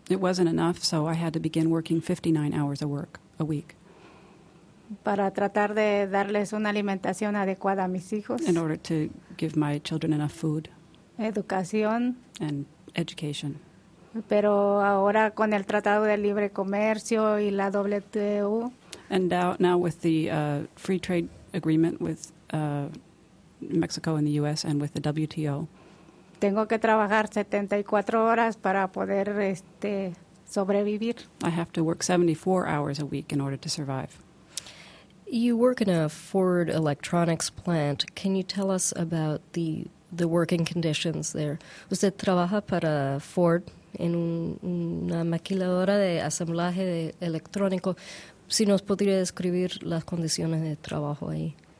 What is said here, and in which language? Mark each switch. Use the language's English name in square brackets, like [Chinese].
[English] It wasn't enough, so I had to begin working 59 hours a week. [Spanish] Para tratar de darles una alimentación adecuada a mis hijos. [English] In order to give my children enough food. [Spanish] Educación. [English] And education. [Spanish] Pero ahora con el Tratado de Libre Comercio y la WTO. [English] And now with the free trade agreement with Mexico and the U.S. and with the WTO. [Spanish] Tengo que trabajar 74 horas para poder sobrevivir. [English] I have to work 74 hours a week in order to survive. You work in a Ford electronics plant. Can you tell us about the working conditions there? [Spanish] Usted trabaja para Ford en una maquiladora de asamblaje de electrónico. Si nos podría describir las condiciones de trabajo ahí.